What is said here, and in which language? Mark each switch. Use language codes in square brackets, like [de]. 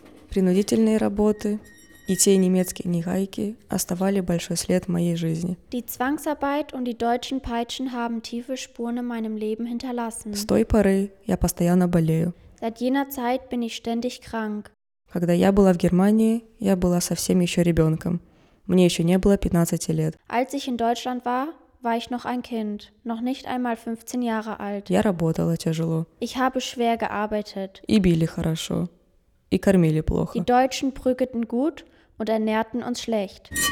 [ru] Принудительные работы и те немецкие нагайки оставили большой след в моей жизни. [de] Die Zwangsarbeit und die deutschen Peitschen haben tiefe Spuren in meinem Leben hinterlassen. [ru] С той поры я постоянно болею. [de] Seit jener Zeit bin ich ständig krank. [ru] Когда я была в Германии, я была совсем еще ребенком. Мне еще не было 15 лет. [de] Als ich in Deutschland war, war ich noch ein Kind, noch nicht einmal 15 Jahre alt. [ru] Я работала тяжело. [de] Ich habe schwer gearbeitet. [ru] И били хорошо. И кормили плохо. [de] Die Deutschen prügelten gut und ernährten uns schlecht.